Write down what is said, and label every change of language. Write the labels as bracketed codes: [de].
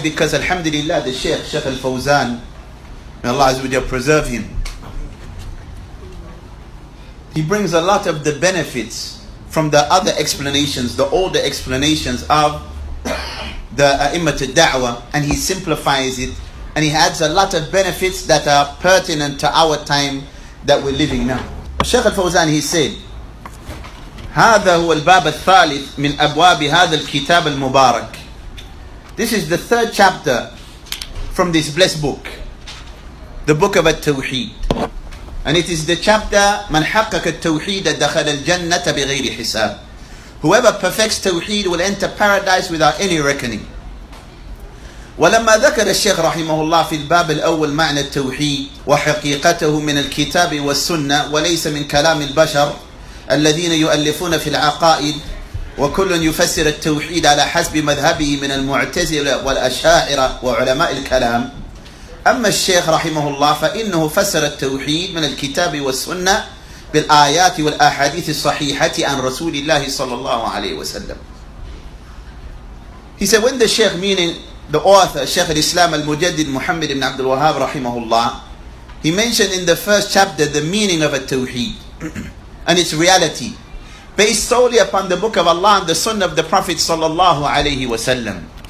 [en] Because alhamdulillah, the Shaykh al-Fawzan, may Allah azza wa jalla preserve him, he brings a lot of the benefits from the other explanations, the older explanations of the A'immat al-Da'wah, and he simplifies it, and he adds a lot of benefits that are pertinent to our time that we're living now. Shaykh al-Fawzan, he said, [ar] هذا هو الباب الثالث من أبواب هذا الكتاب المبارك. [en] This is the third chapter from this blessed book, the book of At-Tawheed. And it is the chapter [ar] من حقق التوحيد دخل الجنة بغير حساب. [en] Whoever perfects Tawheed will enter paradise without any reckoning. [ar] ولما ذكر الشيخ رحمه الله في الباب الأول معنى التوحيد وحقيقته من الكتاب والسنة وليس من كلام البشر الذين يؤلفون في العقائد وكل يفسر التوحيد على حسب مذهبه من المعتزلة والأشاعرة وعلماء الكلام. أما الشيخ رحمه الله فإنه فسر التوحيد من الكتاب والسنة بالآيات والأحاديث الصحيحة عن رسول الله صلى الله عليه وسلم. [en] He said, when the Shaykh, meaning the author, Shaykh al-Islam al-Mujaddid Muhammad ibn Abdul Wahhab رحمه الله, he mentioned in the first chapter the meaning of التوحيد and its reality based solely upon the book of Allah and the sunnah of the Prophet صلى الله عليه وسلم.